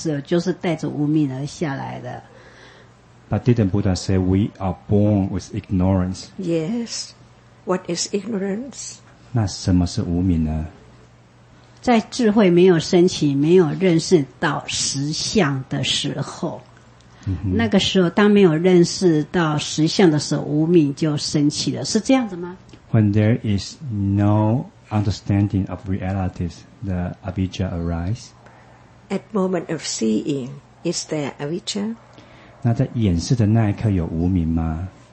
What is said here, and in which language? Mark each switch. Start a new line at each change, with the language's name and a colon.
Chinese: 无明没有办法跟着每一种类型的心意识升起，所以有不同种类的意识，不同种类的心。是啊。所以并不是每个意识都带着无明。不是每个意识都带着无明啊。可是佛陀不是说我们人生下来的时候就是带着无明而下来的。
English: But didn't Buddha say we are born with ignorance? Yes. What is ignorance?
Chinese: 那什么是无明呢? 在智慧没有升起，没有认识到实相的时候， 那个时候，当没有认识到实相的时候，无明就升起了，是这样子吗？
English: When there is no understanding of realities, the avijja arises. At moment of seeing, is there avijja?
Chinese: 那在演示的那一刻有无明吗？